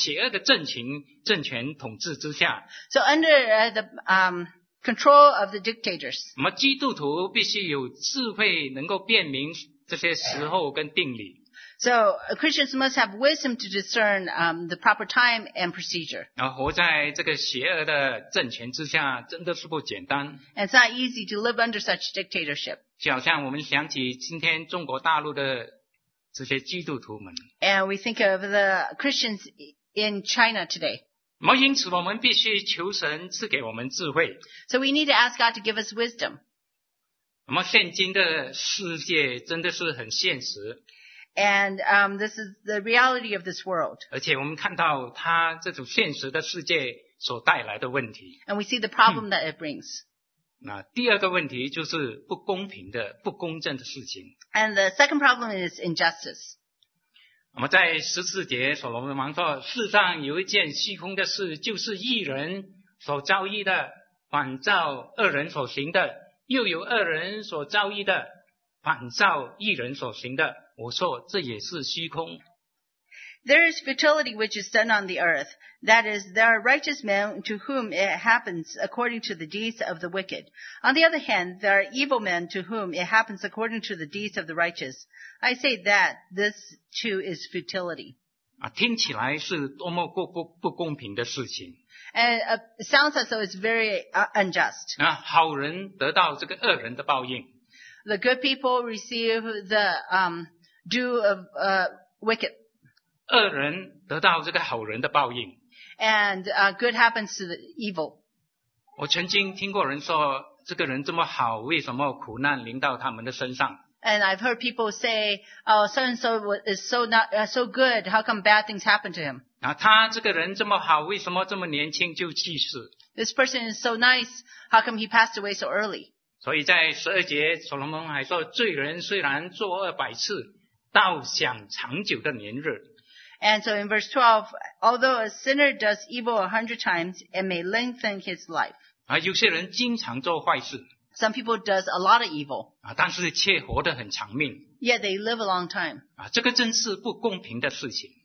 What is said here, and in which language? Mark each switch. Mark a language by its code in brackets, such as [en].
[zh] 所以在这些独裁和这个邪恶的政权统治之下, [en] so under the control of the dictators, [zh] 基督徒必须有智慧能够辨明这些时候跟定理。 [en] So Christians must have wisdom to discern the proper time and procedure. [zh] 活在这个邪恶的政权之下真的是不简单。 [en] And it's not easy to live under such dictatorship. [zh] 就好像我们想起今天中国大陆的这些基督徒们。 [en] And we think of the Christians in China today. [zh] 因此我们必须求神赐给我们智慧。 [en] So we need to ask God to give us wisdom. [zh] 我们现今的世界真的是很现实。 [en] And this is the reality of this world. [zh] 而且我们看到它这种现实的世界所带来的问题。 [en] And we see the problem that it brings. [zh] 那第二个问题就是不公平的、不公正的事情。 [en] And the second problem is injustice. [zh] 我们在十四节，所罗门王说：“世上有一件虚空的事，就是义人所遭遇的，反照恶人所行的；又有恶人所遭遇的，反照义人所行的。” 我说这也是虚空。 [en] There is futility which is done on the earth. That is, there are righteous men to whom it happens according to the deeds of the wicked. On the other hand, there are evil men to whom it happens according to the deeds of the righteous. I say that this too is futility. [zh] 啊，听起来是多么不公平的事情。 [en] And it sounds as though it's very unjust. [zh] 啊，好人得到这个恶人的报应。 [en] The good people receive the due of wicked. [zh] 恶人得到这个好人的报应。 [en] And good happens to the evil. [zh] 我曾经听过人说，这个人这么好，为什么苦难临到他们的身上？ [en] And I've heard people say, oh, so and so is so good. How come bad things happen to him? [zh] 啊，他这个人这么好，为什么这么年轻就去世？ [en] This person is so nice. How come he passed away so early? [zh] 所以在十二节，所罗门还说，罪人虽然作恶百次，倒享长久的年日。 [en] And so in verse 12, although a sinner does evil 100 times, it may lengthen his life. [zh] 啊，有些人经常做坏事。 [en] Some people does a lot of evil. [zh] 啊，但是却活得很长命。 [en] Yet they live a long time. [zh] 啊，这个真是不公平的事情。